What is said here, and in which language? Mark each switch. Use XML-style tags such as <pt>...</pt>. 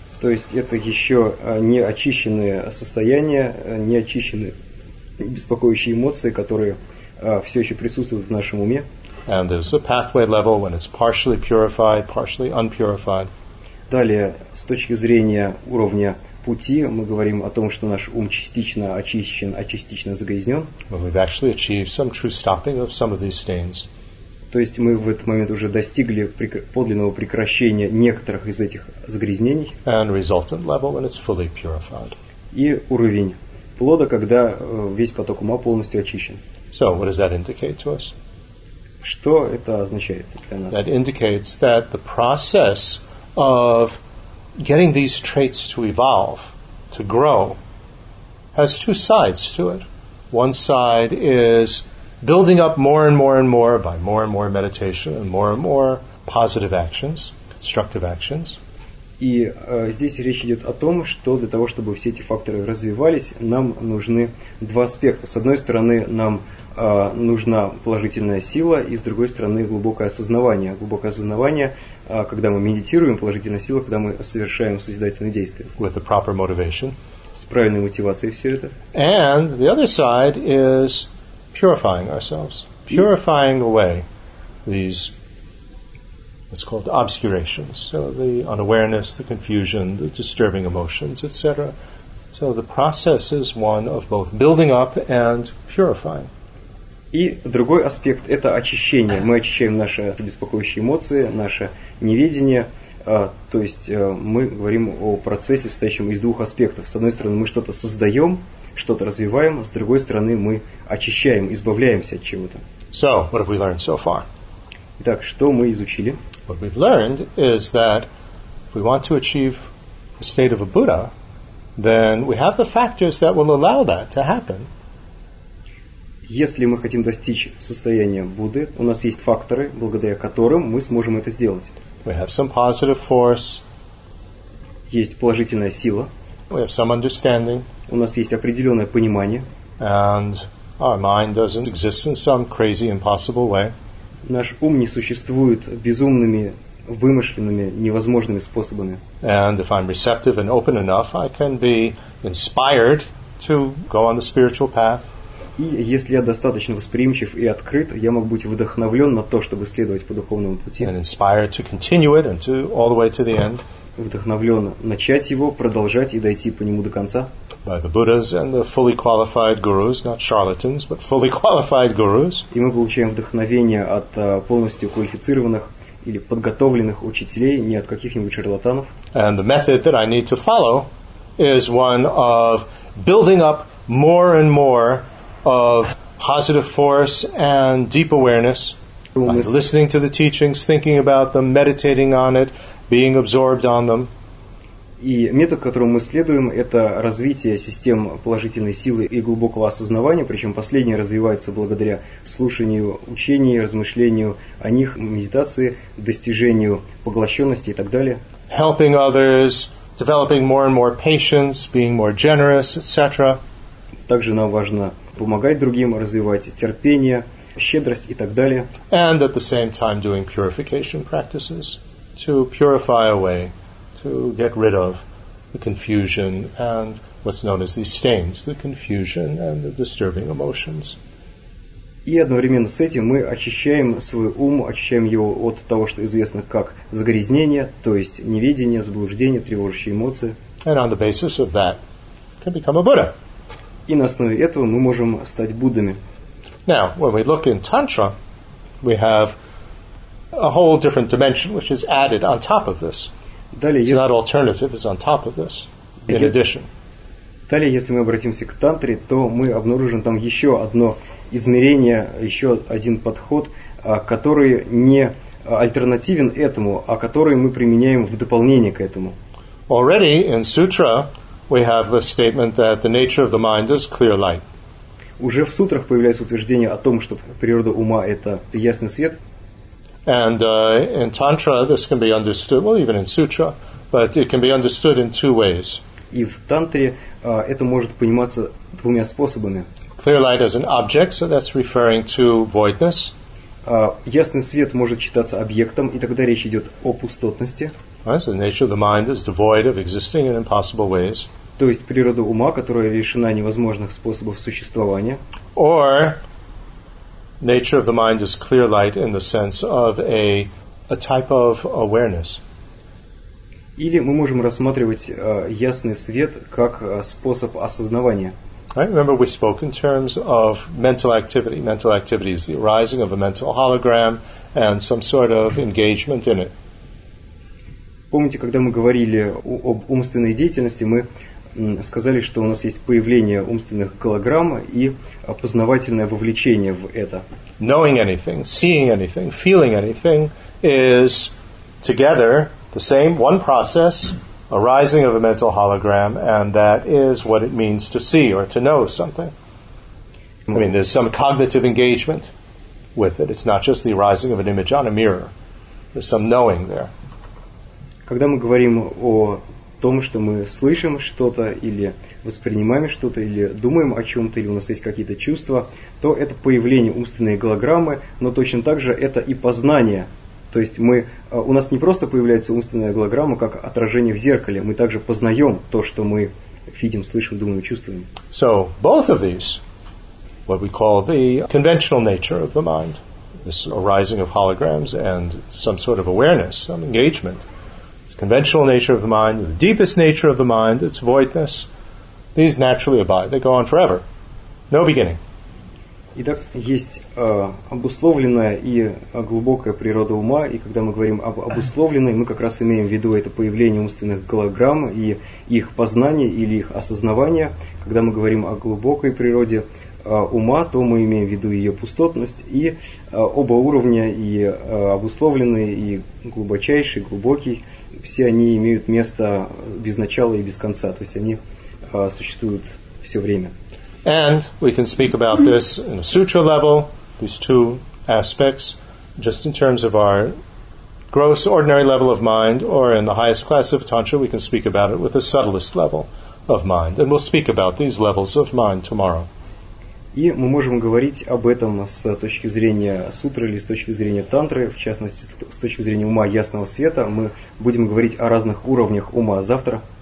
<ru>То есть это еще не очищенные состояния, не очищенные беспокоящие эмоции, которые все еще присутствуют в нашем уме.</ru> <en>And there's a pathway level when it's partially purified, partially unpurified.</en> <ru>Далее, с точки зрения уровня пути, мы говорим о том, что наш ум частично очищен, а частично загрязнен.</ru> <en>But we've actually achieved some true stopping of some of these stains.</en> <ru>То есть мы в этот момент уже достигли подлинного прекращения некоторых из этих загрязнений.</ru> <en>And resultant level when it's fully purified.</en> <ru>И уровень плода, когда весь поток ума полностью очищен.</ru> <en>So, what does that indicate to us?</en> <ru>Что это означает для нас?</ru> <en>That indicates that the process of getting these traits to evolve, to grow, has two sides to it. One side is building up more and more and more by more and more meditation and more positive actions, constructive actions.</en> <ru>И здесь речь идет о том, что для того, чтобы все эти факторы развивались, нам нужны два аспекта. С одной стороны, нам нужна положительная сила, и с другой стороны, глубокое осознавание. Глубокое осознавание, когда мы медитируем, положительная сила, когда мы совершаем созидательные действия.</ru> <en>With the proper motivation.</en> <ru>С правильной мотивацией все это.</ru> <en>And the other side is purifying ourselves, purifying away these, what's called obscurations, so the unawareness, the confusion, the disturbing emotions, etc. So the process is one of both building up and purifying.</en> <ru>И другой аспект – это очищение. Мы очищаем наши беспокоящие эмоции, наше неведение. То есть мы говорим о процессе, состоящем из двух аспектов. С одной стороны, мы что-то создаем, что-то развиваем, с другой стороны, мы очищаем, избавляемся от чего-то.</ru> <en>So, what have we learned so far?</en> <ru>Итак, что мы изучили?</ru> <en>What we've learned is that if we want to achieve the state of a Buddha, then we have the factors that will allow that to happen.</en> <ru>Если мы хотим достичь состояния Будды, у нас есть факторы, благодаря которым мы сможем это сделать.</ru> <en>We have some positive force.</en> <ru>Есть положительная сила.</ru> <en>We have some understanding.</en> <ru>У нас есть определенное понимание.</ru> <en>And our mind doesn't exist in some crazy, impossible way.</en> <ru>Наш ум не существует безумными, вымышленными, невозможными способами.</ru> <en>And if I'm receptive and open enough, I can be inspired to go on the spiritual path.</en> <ru>И если я достаточно восприимчив и открыт, я могу быть вдохновлен на то, чтобы следовать по духовному пути.</ru> <en>And inspired to continue it and to all the way to the end.</en> <ru>Вдохновленно начать его, продолжать и дойти по нему до конца.</ru> <en>By the Buddhas and the fully qualified gurus, not charlatans, but fully qualified gurus.</en> <ru>И мы получаем вдохновение от полностью квалифицированных или подготовленных учителей, не от каких-нибудь шарлатанов.</ru> <en>And the method that I need to follow is one of building up more and more of positive force and deep awareness by listening to the teachings, thinking about them, meditating on it, being absorbed on them.</en> <ru>И метод, которым мы следуем, это развитие систем положительной силы и глубокого осознавания, причем последнее развивается благодаря слушанию учений, размышлению о них, медитации, достижению поглощенности и так далее.</ru> <en>Helping others, developing more and more patience, being more generous, etc.</en> <ru>Также нам важно помогать другим, развивать терпение, щедрость и так далее.</ru> <en>And at the same time doing purification practices to purify away, to get rid of the confusion and what's known as these stains, the confusion and the disturbing emotions.</en> <ru>И одновременно с этим мы очищаем свой ум, очищаем его от того, что известно как загрязнение, то есть неведение, заблуждение, тревожащие эмоции.</ru> <en>And on the basis of that can become a Buddha.</en> <ru>И на основе этого мы можем стать Буддами.</ru> <en>Now, when we look in Tantra, we have a whole different dimension which is added on top of this. It's not alternative, it's on top of this, in addition.</en> <ru>Далее, если мы обратимся к Тантре, то мы обнаружим там еще одно измерение, еще один подход, который не альтернативен этому, а который мы применяем в дополнение к этому.</ru> <en>Already in Sutra, we have the statement that the nature of the mind is clear light.</en> <ru>Уже в сутрах появляется утверждение о том, что природа ума – это ясный свет.</ru> <en>And in Tantra, this can be understood, well, even in Sutra, but it can be understood in two ways.</en> <ru>И в Тантре это может пониматься двумя способами.</ru> <en>Clear light as an object, so that's referring to voidness.</en> <ru>Ясный свет может считаться объектом, и тогда речь идет о пустотности.</ru> <en>Right, so the nature of the mind is devoid of existing in impossible ways.</en> <ru>То есть природа ума, которая лишена невозможных способов существования.</ru> <en>Or nature of the mind is clear light in the sense of a type of awareness.</en> <ru>Или мы можем рассматривать ясный свет как способ осознавания.</ru> <en>Right? Remember we spoke in terms of mental activity. Mental activity is the arising of a mental hologram and some sort of engagement in it.</en> <ru>Помните, когда мы говорили об умственной деятельности, мы сказали, что у нас есть появление умственных голограмм и познавательное вовлечение в это.</ru> <en>Knowing anything, seeing anything, feeling anything is together the same one process, arising of a mental hologram, and that is what it means to see or to know something. I mean, there's some cognitive engagement with it. It's not just the arising of an image on a mirror. There's some knowing there.</en> <ru>Когда мы говорим о том, что мы слышим что-то, или воспринимаем что-то, или думаем о чем-то, или у нас есть какие-то чувства, то это появление умственной голограммы, но точно так же это и познание. То есть мы, у нас не просто появляется умственная голограмма, как отражение в зеркале, мы также познаем то, что мы видим, слышим, думаем, чувствуем.</ru> <en>So, both of these, what we call the conventional nature of the mind, this arising of holograms and some sort of awareness, some engagement, conventional nature of the mind, the deepest nature of the mind, its voidness, these naturally abide. They go on forever. No beginning.</en> <ru>Итак, есть обусловленная и глубокая природа ума, и когда мы говорим об обусловленной, мы как раз имеем в виду это появление умственных голограмм и их познание или их осознавание. Когда мы говорим о глубокой природе ума, то мы имеем в виду ее пустотность и оба уровня, и обусловленный, и глубочайший, глубокий. Все они имеют место без начала и без конца, то есть они существуют все время.</ru> <en>And we can speak about this in a sutra level, these two aspects, just in terms of our gross ordinary level of mind, or in the highest class of tantra, we can speak about it with the subtlest level of mind. And we'll speak about these levels of mind tomorrow.</en> <ru>И мы можем говорить об этом с точки зрения сутры или с точки зрения тантры, в частности, с точки зрения ума ясного света. Мы будем говорить о разных уровнях ума завтра.</ru>